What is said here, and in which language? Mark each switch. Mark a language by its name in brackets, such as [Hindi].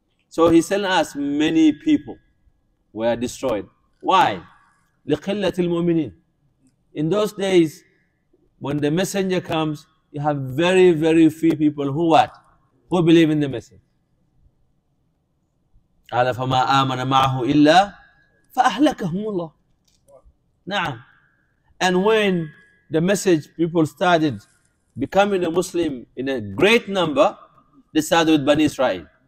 [English] So he sent us many people were destroyed. Why? [Arabic] لقلة المؤمنين. [English] In those days when the messenger comes you have very very few people who what? Who believe in the message. [Arabic] قال فما آمن معه إلا فأهلكهم الله. نعم. [English] And when the message people started becoming a Muslim in a great number, they started with Bani Israel.